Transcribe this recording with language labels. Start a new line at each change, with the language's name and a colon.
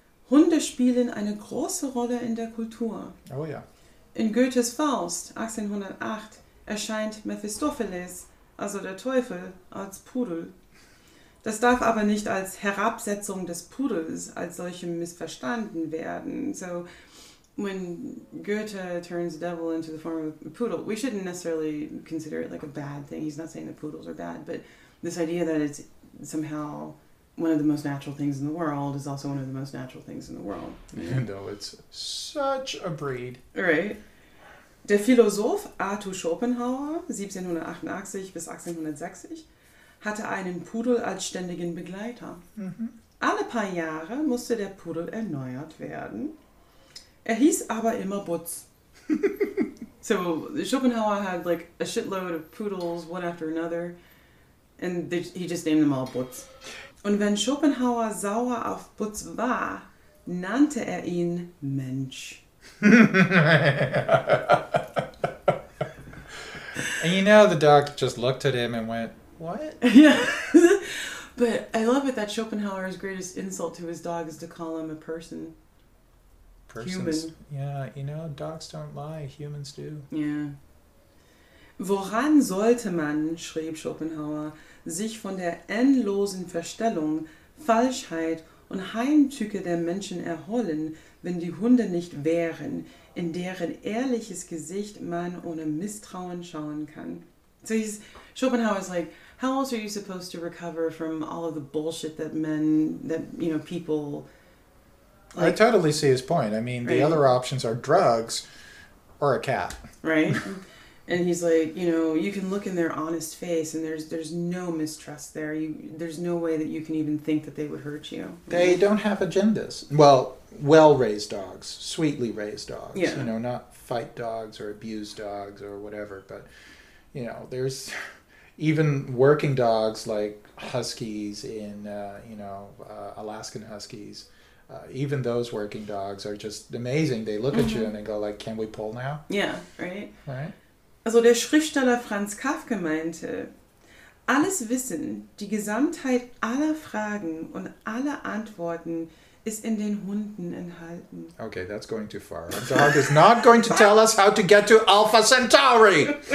German: Hunde spielen eine große Rolle in der Kultur. Oh ja. In Goethes Faust, 1808, erscheint Mephistopheles, also der Teufel, als Pudel. Das darf aber nicht als Herabsetzung des Pudels als solchem missverstanden werden.
English: So, when Goethe turns the devil into the form of a poodle, we shouldn't necessarily consider it like a bad thing. He's not saying that poodles are bad, but this idea that it's somehow one of the most natural things in the world is also one of the most natural things in the world. Even though it's such a breed. Right.
German: Der Philosoph Arthur Schopenhauer, 1788 bis 1860, hatte einen Pudel als ständigen Begleiter. Mm-hmm. Alle paar Jahre musste der Pudel erneuert werden. Er hieß aber immer Butz.
English: So Schopenhauer had like a shitload of poodles, one after another, and he just named them all Butz.
German: Und wenn Schopenhauer sauer auf Putz war, nannte er ihn Mensch.
English: And you know the doc just looked at him and went, what? Yeah. But I love it that Schopenhauer's greatest insult to his dog is to call him a person. Persons. Human. Yeah, you know, dogs don't lie. Humans do. Yeah.
German: Woran sollte man, schrieb Schopenhauer, sich von der endlosen Verstellung, Falschheit und Heimtücke der Menschen erholen, wenn die Hunde nicht wären, in deren ehrliches Gesicht man ohne Misstrauen schauen kann.
English: So he's, Schopenhauer is like, how else are you supposed to recover from all of the bullshit that men, that, you know, people... Like, I totally see his point. I mean, right? The other options are drugs or a cat. Right? And he's like, you know, you can look in their honest face and there's no mistrust there. There's no way that you can even think that they would hurt you. They don't have agendas. Well, well-raised dogs, sweetly raised dogs. Yeah. You know, not fight dogs or abuse dogs or whatever. But, you know, there's even working dogs like huskies in, Alaskan huskies. Even those working dogs are just amazing. They look at you and they go like, can we pull now? Yeah, right? Right.
German: Also der Schriftsteller Franz Kafka meinte, alles Wissen, die Gesamtheit aller Fragen und aller Antworten ist in den Hunden enthalten.
English: Okay, that's going too far. A dog is not going to tell us how to get to Alpha Centauri.